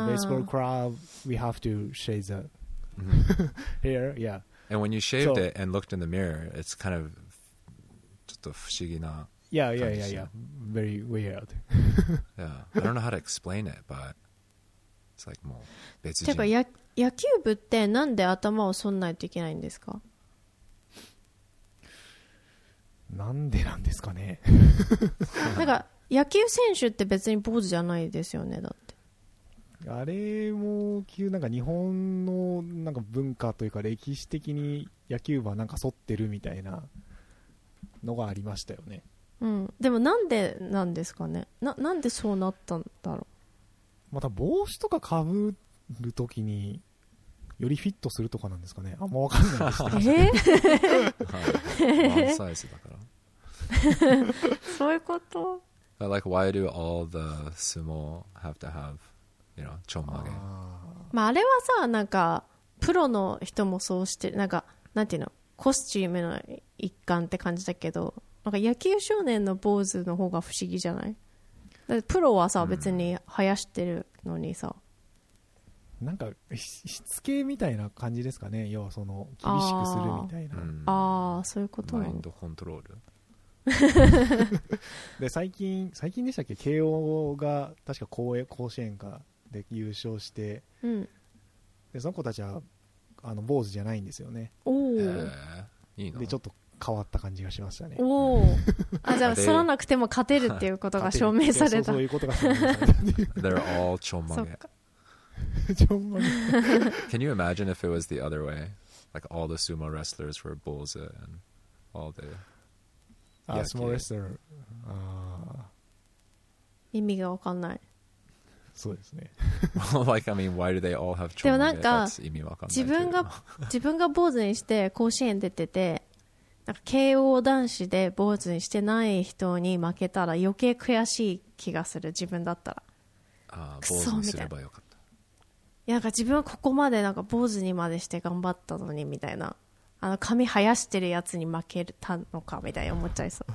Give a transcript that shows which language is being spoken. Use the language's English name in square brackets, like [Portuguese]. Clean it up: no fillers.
[English] In the baseball club, we have to shave the hair. Yeah. And when you shaved it and looked in the mirror, it's kind of just a [Japanese] 不思議な [English] Yeah. Very weird. Yeah, I don't know how to explain it, but it's like [Japanese] もう別人。てか野球部ってなんで頭を剃んないといけないんですか？なんでなんですかね。なんか野球選手って別に坊主じゃないですよね、だって。あれもなんか日本のなんか文化というか歴史的に野球部はなんか剃ってるみたいなのがありましたよね。うん。でもなんでなんですかね。なんでそうなったんだろう。また帽子とか被るときによりフィットするとかなんですかね。あんま分かんないですけど。ワンサイズだから。そういうこと。 [English] But like, why do all the sumo have to have, you know, ちょんまげ？ [Japanese] まああれはさ、なんかプロの人もそうしてる、なんかなんていうの、コスチュームの一環って感じだけど、なんか野球少年の坊主の方が不思議じゃない？だってプロはさ、うん、別に生やしてるのにさ。なんかしつけみたいな感じですかね、要はその厳しくするみたいな。ああそういうことね。マインドコントロールで最近でしたっけ、慶応が確か甲子園かで優勝して、うん、でその子たちはあの坊主じゃないんですよね。おお、いいな。でちょっと変わった感じがしましたね。おお、じゃあ剃らなくても勝てるっていうことが証明された。そういうことが証明された。 [English] They're all [Japanese] ちょんまげ。 [English] Can you imagine if it was the other way? Like all the sumo wrestlers were bulls and all the sumo wrestler. [Japanese] 意味が分かんない。そうですね。 [English] Like, I mean, why do they all have [Japanese] ちょんまげ？でもなんか、意味分かんない。自分が坊主にして甲子園出てて、なんか慶応男子で坊主にしてない人に負けたら余計悔しい気がする、自分だったら。ああ、坊主にすればよかった。いや、なんか自分はここまでなんか坊主にまでして頑張ったのにみたいな、あの髪生やしてるやつに負けたのかみたいに思っちゃいそう。